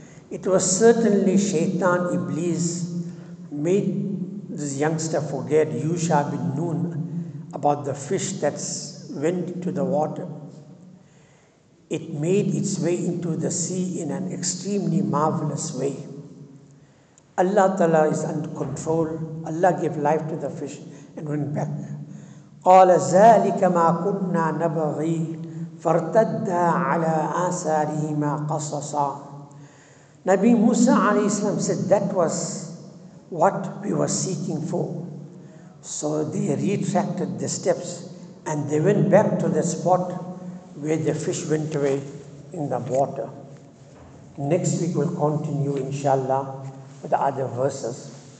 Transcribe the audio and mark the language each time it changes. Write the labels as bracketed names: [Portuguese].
[English] It was certainly Shaitan, Iblis, made this youngster forget Yusha bin Nun about the fish that went into the water. It made its way into the sea in an extremely marvelous way. Allah Ta'ala is under control. Allah gave life to the fish and went back. [Arabic] قال ذلك ما كنا نبغي فارتدا على آثارهما قصصا. [English] Nabi Musa alayhi salam said, that was what we were seeking for. So they retracted the steps and they went back to the spot where the fish went away in the water. Next week we'll continue inshallah with the other verses.